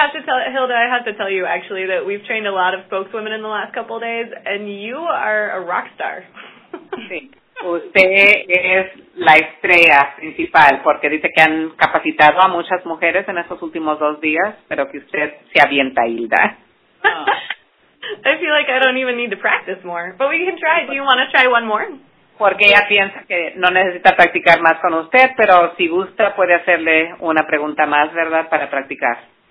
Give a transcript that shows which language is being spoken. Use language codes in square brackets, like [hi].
[en] I have to tell you, actually, that we've trained a lot of spokeswomen in the last couple of days, and you are a rock star. [es] Usted es la estrella principal, porque dice que han capacitado a muchas mujeres en estos últimos dos días, pero que usted se avienta, Hilda. [en] I feel like I don't even need to practice more, but we can try. Do you want to try one more? [es] Porque ella piensa que no necesita practicar más con usted, pero si gusta puede hacerle una pregunta más, ¿verdad?, para practicar.